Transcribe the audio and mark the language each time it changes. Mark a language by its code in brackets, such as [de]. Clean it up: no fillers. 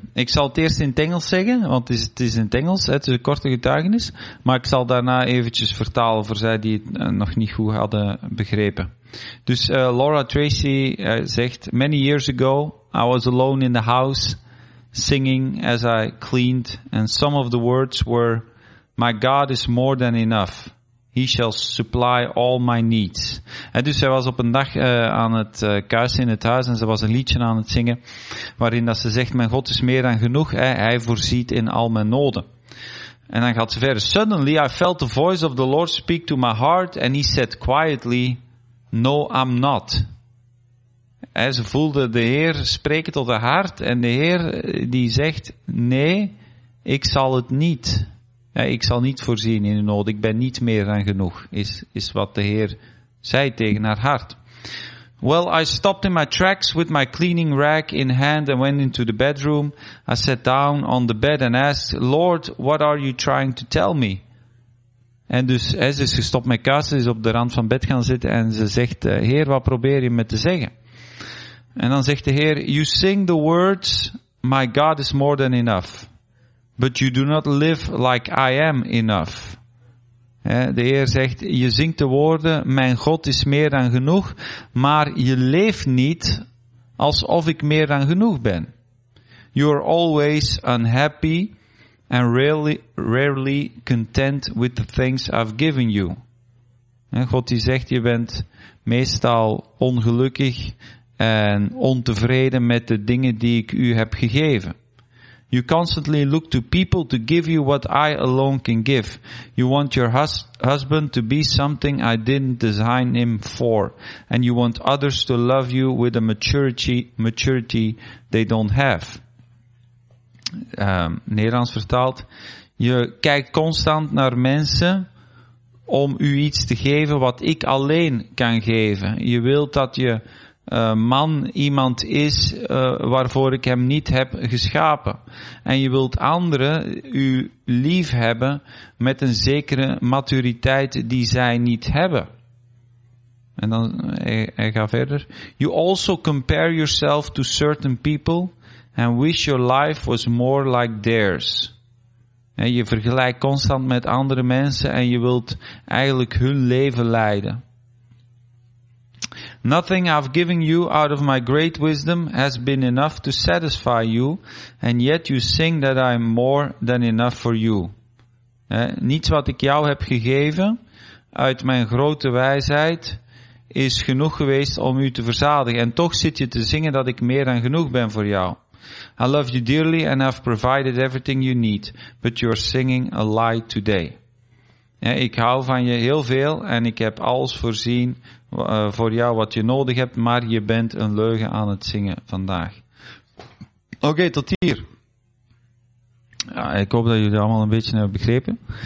[nl] Ik zal het eerst in het Engels zeggen, want het is in het Engels, het is een korte getuigenis. Maar ik zal daarna eventjes vertalen voor zij die het nog niet goed hadden begrepen. Dus Laura Tracy zegt, [en] many years ago, I was alone in the house, singing as I cleaned, and some of the words were, my God is more than enough. He shall supply all my needs. [nl] En dus zij was op een dag aan het kuisen in het huis en ze was een liedje aan het zingen waarin dat ze zegt, mijn God is meer dan genoeg, hè? Hij voorziet in al mijn noden. En dan gaat ze verder. [en] Suddenly I felt the voice of the Lord speak to my heart and he said quietly, no I'm not. [nl] En ze voelde de Heer spreken tot haar hart en de Heer die zegt, nee, ik zal het niet. Ik zal niet voorzien in de nood, ik ben niet meer dan genoeg, is wat de Heer zei tegen haar hart. [en] Well, I stopped in my tracks with my cleaning rag in hand and went into the bedroom. I sat down on the bed and asked, Lord, what are you trying to tell me? [nl] En dus ze is gestopt met kuisen, is op de rand van bed gaan zitten en ze zegt, Heer, wat probeer je me te zeggen? En dan zegt de Heer, [en] you sing the words, my God is more than enough. But you do not live like I am enough. [nl] De Heer zegt, je zingt de woorden, mijn God is meer dan genoeg, maar je leeft niet alsof ik meer dan genoeg ben. [en] You are always unhappy and rarely content with the things I've given you. [nl] God die zegt, je bent meestal ongelukkig en ontevreden met de dingen die ik u heb gegeven. [en] You constantly look to people to give you what I alone can give. You want your husband to be something I didn't design him for. And you want others to love you with a maturity they don't have. [nl] Nederlands vertaald. Je kijkt constant naar mensen om u iets te geven wat ik alleen kan geven. Je wilt dat je man iemand is waarvoor ik hem niet heb geschapen. En je wilt anderen u lief hebben met een zekere maturiteit die zij niet hebben. En dan hij gaat verder. [en] You also compare yourself to certain people and wish your life was more like theirs. [nl] En je vergelijkt constant met andere mensen en je wilt eigenlijk hun leven leiden. [en] Nothing I've given you out of my great wisdom has been enough to satisfy you, and yet you sing that I'm more than enough for you. [nl] Niets wat ik jou heb gegeven uit mijn grote wijsheid is genoeg geweest om u te verzadigen, en toch zit je te zingen dat ik meer dan genoeg ben voor jou. [en] I love you dearly and I've provided everything you need, but you're singing a lie today. [nl] Ik hou van je heel veel en ik heb alles voorzien voor jou wat je nodig hebt, maar je bent een leugen aan het zingen vandaag. Oké, tot hier. Ja, ik hoop dat jullie allemaal een beetje hebben begrepen.